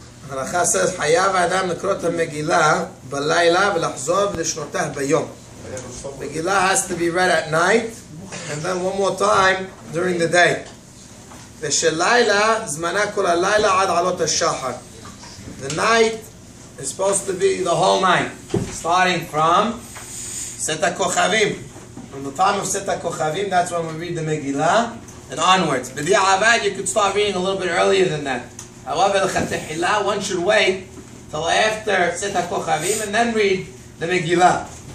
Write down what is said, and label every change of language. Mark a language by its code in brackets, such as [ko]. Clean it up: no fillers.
[he] הלכה [en] says, [he] חייב האדם לקרוא את המגילה בלילה ולחזור לשנותיה ביום. [en] מגילה has to be read at night, and then one more time during the day. [he] ושלילה, זמנה כל הלילה עד עלות השחר. [en] The night is supposed to be the whole night, starting from set הכוכבים. From the time of set הכוכבים, that's when we read the Megillah, and onwards. בדיעבד, you could start reading a little bit earlier than that. However, לכתחילה, one should wait till after set הכוכבים, and then read the Megillah.